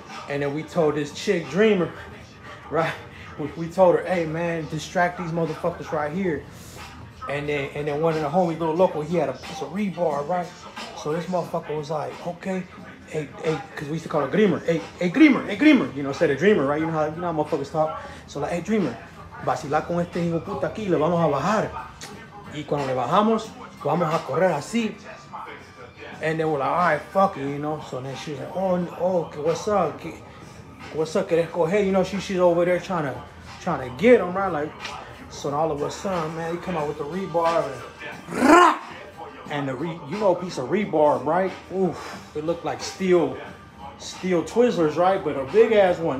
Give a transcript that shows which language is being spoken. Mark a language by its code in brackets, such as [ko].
[en] And then we told this chick, Dreamer, right? We told her, hey, man, distract these motherfuckers right here. And then one of the homies, little local, he had a piece of rebar, right? So this motherfucker was like, okay. Hey, because we used to call her Dreamer. Hey, Dreamer. You know, instead of Dreamer, right? You know how motherfuckers talk. [es] So like, hey, Dreamer, vacila con este hijo puta aquí, le vamos a bajar. Y cuando le bajamos, vamos a correr así. [en] And then we're like, all right, fuck it, you know? So then she was like, oh, what's up? What's up, [es] querés coger? [en] You know, she's over there trying to get him, right? Like, so all of a sudden, man, he come out with the rebar. And piece of rebar, right? Oof, it looked like steel Twizzlers, right? But a big ass one.